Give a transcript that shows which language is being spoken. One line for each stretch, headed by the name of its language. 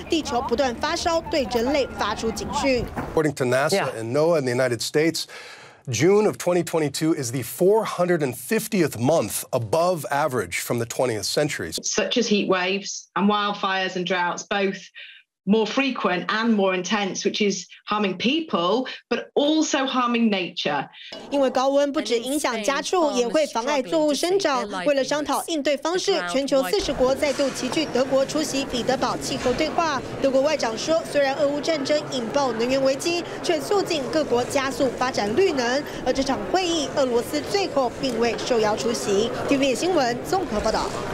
Chinese: 据报道，西班牙和葡萄牙相加已有超过1000人死于高温，地球不断发烧，对人类发出警讯。
English: According to NASA and NOAA in the United States, June of 2022 is the 450th month above average from the 20th century. Such as heat waves and wildfires and droughts, both more frequent and more intense, which is harming people, but also harming nature.
Chinese: 因为高温不止影响家畜，也会妨碍作物生长。为了商讨应对方式，全球40国再度齐聚德国出席彼得堡气候对话。德国外长说，虽然俄乌战争引爆能源危机，却促进各国加速发展绿能。而这场会议，俄罗斯最后并未受邀出席。TVBS新闻综合报道。